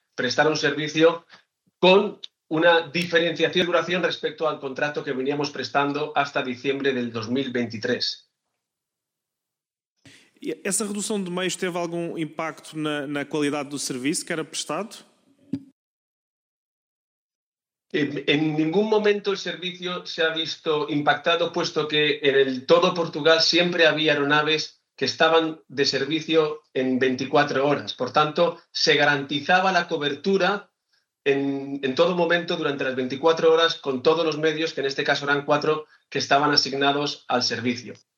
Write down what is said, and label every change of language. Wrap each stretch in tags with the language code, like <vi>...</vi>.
<es>prestar un servicio con una diferenciación de duración respecto al contrato que veníamos prestando hasta diciembre del 2023.</es> <pt>E essa redução de meios teve algum impacto na qualidade do serviço que era prestado?</pt> <es>En ningún momento el servicio se ha visto impactado, puesto que en el todo Portugal siempre había aeronaves que estaban de servicio en 24 horas. Por tanto, se garantizaba la cobertura en todo momento durante las 24 horas con todos los medios, que en este caso eran 4, que estaban asignados al servicio.</es>